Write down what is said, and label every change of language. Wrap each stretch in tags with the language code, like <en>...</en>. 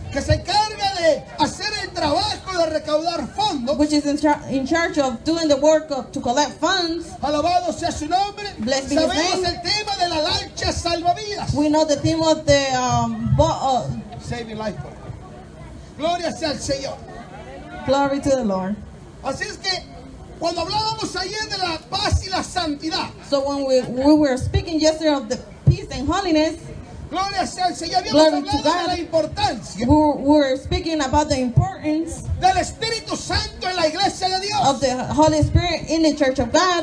<es>Que se encarga de hacer el trabajo de recaudar fondos.</es> <en>Which is in charge of doing the work of, to collect funds.</en> <es>Alabado sea su nombre.</es> <en>Blessed be</en> <es>Sabemos</es> <en>his name.</en> <es>El tema de la lancha salvavidas.</es> <en>We know the theme of the saving life boat.</en> <es>Gloria sea al Señor.</es> <en>Glory to the Lord.</en> <es>Así es que cuando hablábamos ayer de la paz y la santidad.</es> <en>So when we were speaking yesterday of the peace and holiness.</en> <es>Gloria sea al Señor.</es> <en>Glory to God.</en> <es>De la importancia.</es> <en>We were speaking about the importance</en> <es>del Espíritu Santo en la iglesia de Dios.</es> <en>Of the Holy Spirit in the church of God.</en>